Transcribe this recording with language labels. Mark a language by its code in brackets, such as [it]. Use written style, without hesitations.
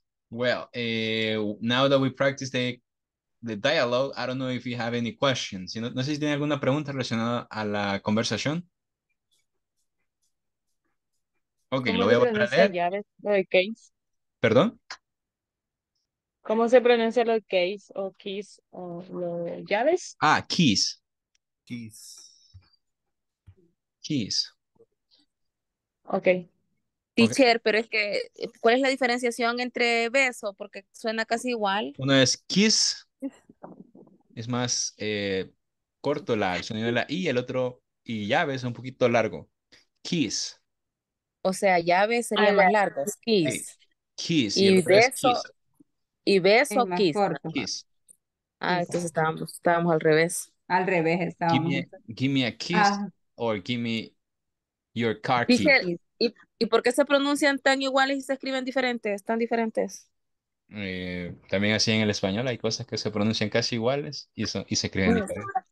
[en] Well, now that we practiced the dialogue, I don't know if you have any questions. [es] No sé si tiene alguna pregunta relacionada a la conversación. Ok, lo voy a volver a leer. ¿Perdón? ¿Cómo se pronuncia lo de case o keys o lo de llaves? [en] Ah, keys. Keys. Keys. Ok. Teacher, okay. [es] Pero es que, ¿cuál es la diferenciación entre beso? Porque suena casi igual. Una es kiss. Es más corto la, el sonido de la I, y el otro, y llaves es un poquito largo. [en] Kiss. [es] O sea, llaves sería más largo. Kiss. [en] Hey, kiss. [es] Y beso. ¿Y beso o kiss? [en] Kiss. [es] Ah, entonces estábamos al revés. Al revés estábamos. [en] Give me a kiss or give me your car key. [es] ¿Y por qué se pronuncian tan iguales y se escriben diferentes, tan diferentes? También así en el español hay cosas que se pronuncian casi iguales y se escriben diferentes.